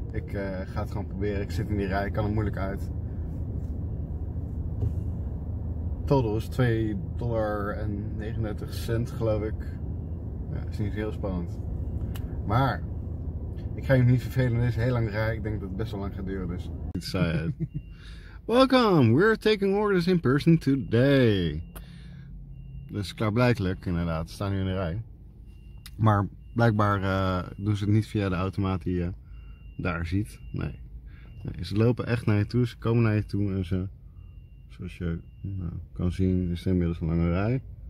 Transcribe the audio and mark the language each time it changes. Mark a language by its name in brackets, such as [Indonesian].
[Dutch] Ik ga het gewoon proberen. Ik zit in die rij, ik kan het moeilijk uit. [English] Total is $2.39, [Dutch] geloof ik. Ja, is niet heel spannend. Maar ik ga je niet vervelen, het is heel lang rij. Ik denk dat het best wel lang gaat duren, dus. [English] Excited. Welcome, we're taking orders in person today. [Dutch] Dus klaarblijkelijk, inderdaad, staan nu in de rij. Maar blijkbaar doen ze het niet via de automaat die je daar ziet. Nee. Ze lopen echt naar je toe, ze komen naar je toe en ze. Zoals je kan zien, is het inmiddels een lange rij.